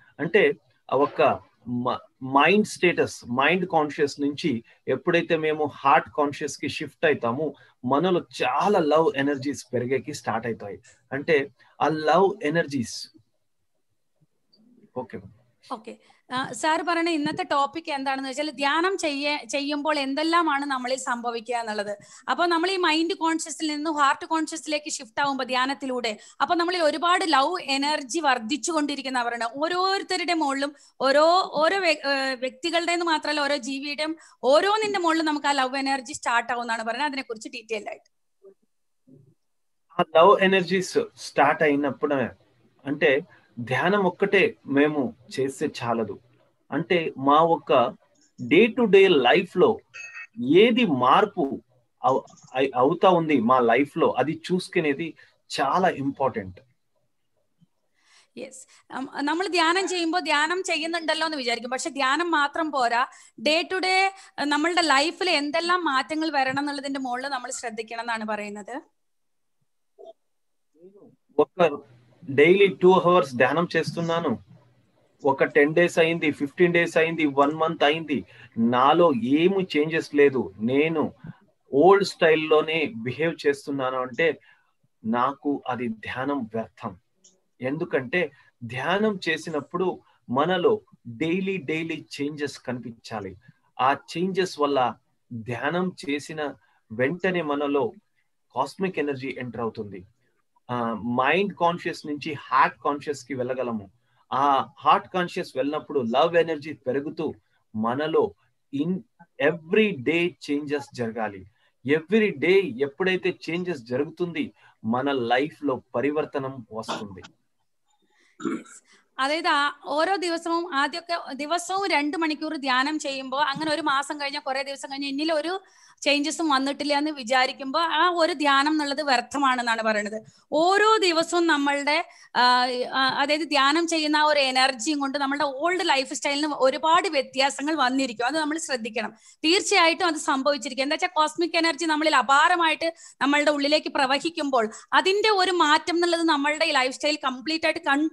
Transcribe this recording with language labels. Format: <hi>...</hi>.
<te>అంటే ఒక mind status, mind conscious నుంచి ఎప్పుడైతే మేము హార్ట్ కాన్షియస్ కి షిఫ్ట్ అవుతామో మనలో చాలా లవ్ ఎనర్జీస్ పెరిగేకి స్టార్ట్ అవుతాయి. అంటే ఆ love energies okay</te> <ml>okay sir പറഞ്ഞ ഇന്നത്തെ ടോപ്പിക് എന്താണെന്ന് വെച്ചാൽ ധ്യാനം ചെയ്യുമ്പോൾ എന്തെല്ലാമാണ് നമ്മളിൽ സംഭവിക്കുക എന്നുള്ളത് അപ്പൊ നമ്മൾ ഈ മൈൻഡ് കോൺഷ്യസിൽ നിന്ന് ഹാർട്ട് കോൺഷ്യസിലേക്ക് ഷിഫ്റ്റ് ആവുമ്പോൾ ധ്യാനത്തിലൂടെ അപ്പൊ നമ്മളിൽ ഒരുപാട് ലവ് എനർജി വർദ്ധിച്ചുകൊണ്ടിരിക്കുന്നവരാണ് ഓരോരുത്തരുടെ മുകളിലും ഓരോ വ്യക്തികളുടേന്ന് മാത്രമല്ല ഓരോ ജീവിയുടെയും ഓരോന്നിന്റെ മുകളിലും നമുക്ക് ആ ലവ് എനർജി സ്റ്റാർട്ട് ആവുന്നതാണ് പറഞ്ഞത് അതിനെ കുറിച്ച് ഡീറ്റെയിൽ ആയിട്ട്</ml> <te>లవ్ ఎనర్జీస్ స్టార్ట్ అయినప్పుడే అంటే ధ్యానం ఒక్కటే మేము చేస్తే చాలదు అంటే మా ఒక డే టు డే లైఫ్ లో ఏది మార్పు అవుతా ఉంది మా లైఫ్ లో అది చూసుకునేది చాలా ఇంపార్టెంట్</te> <ml>യെസ് നമ്മൾ ധ്യാനം ചെയ്യുമ്പോൾ ധ്യാനം ചെയ്യുന്നുണ്ടല്ലോ എന്ന് വിചാരിക്കും പക്ഷെ ധ്യാനം മാത്രം പോരാ ഡേ ടു ഡേ നമ്മളുടെ ലൈഫിൽ എന്തെല്ലാം മാറ്റങ്ങൾ വരണം എന്നുള്ളതിന്റെ മുകളിൽ നമ്മൾ ശ്രദ്ധിക്കണം എന്നാണ് പറയുന്നത്</ml> <te>ఒక డైలీ 2 అవర్స్ ధ్యానం చేస్తున్నాను ఒక 10 డేస్ అయింది 15 డేస్ అయింది 1 మంత్ అయింది నాలో ఏమి చేంజెస్ లేదు నేను ఓల్డ్ స్టైల్లోనే బిహేవ్ చేస్తున్నాను అంటే నాకు అది ధ్యానం వ్యర్థం ఎందుకంటే ధ్యానం చేసినప్పుడు మనలో డైలీ డైలీ చేంజెస్ కనిపించాలి ఆ చేంజెస్ వల్ల ధ్యానం చేసిన వెంటనే మనలో కాస్మిక్ ఎనర్జీ ఎంటర్ అవుతుంది మైండ్ కాన్షియస్ నుంచి హార్ట్ కాన్షియస్ కి వెళ్ళగలము ఆ హార్ట్ కాన్షియస్ వెళ్ళినప్పుడు లవ్ ఎనర్జీ పెరుగుతూ మనలో ఇన్ ఎవ్రీ డే చేంజెస్ జరగాలి ఎవ్రీ డే ఎప్పుడైతే చేంజెస్ జరుగుతుంది మన లైఫ్ లో పరివర్తనం వస్తుంది</te> <ml>അതായത് ഓരോ ദിവസവും ആദ്യമൊക്കെ ദിവസവും 2 മണിക്കൂർ ധ്യാനം ചെയ്യുമ്പോൾ അങ്ങനെ ഒരു മാസം കഴിഞ്ഞാൽ കുറെ ദിവസം കഴിഞ്ഞാൽ ഇനിയിൽ ഒരു ചേഞ്ചസും വന്നിട്ടില്ല എന്ന് വിചാരിക്കുമ്പോൾ ആ ഒരു ധ്യാനം എന്നുള്ളത് വ്യർത്ഥമാണെന്നാണ് പറയുന്നത് ഓരോ ദിവസവും നമ്മളുടെ അതായത് ധ്യാനം ചെയ്യുന്ന ആ ഒരു എനർജിയും കൊണ്ട് നമ്മളുടെ ഓൾഡ് ലൈഫ് സ്റ്റൈലിന് ഒരുപാട് വ്യത്യാസങ്ങൾ വന്നിരിക്കും അത് നമ്മൾ ശ്രദ്ധിക്കണം തീർച്ചയായിട്ടും അത് സംഭവിച്ചിരിക്കും എന്താ വെച്ചാൽ കോസ്മിക് എനർജി നമ്മളിൽ അപാരമായിട്ട് നമ്മളുടെ ഉള്ളിലേക്ക് പ്രവഹിക്കുമ്പോൾ അതിന്റെ ഒരു മാറ്റം എന്നുള്ളത് നമ്മളുടെ ലൈഫ് സ്റ്റൈൽ കംപ്ലീറ്റ് ആയിട്ട്</ml>